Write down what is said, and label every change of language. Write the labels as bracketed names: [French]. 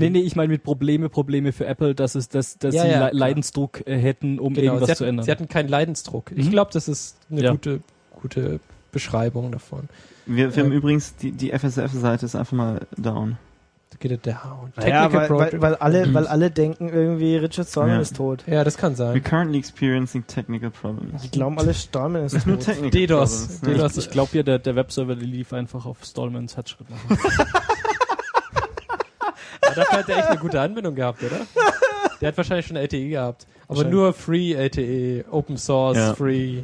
[German] Nee, ich meine mit Probleme für Apple, dass sie Leidensdruck hätten, um irgendwas zu ändern. Sie hatten keinen Leidensdruck. Ich glaube, das ist eine gute Beschreibung davon. Wir haben übrigens, die FSF-Seite ist einfach mal down. Geht er down. Weil alle denken irgendwie, Richard Stallman ist tot. Ja, das kann sein. [English] We're currently experiencing technical problems. [German] Die glauben alle, Stallman ist tot. DDoS. DDoS. Ich glaube ja, der Webserver lief einfach auf Stallmans Headschritt. Dafür hat er echt eine gute Anbindung gehabt, oder? Der hat wahrscheinlich schon LTE gehabt. Aber nur free LTE, open source, free.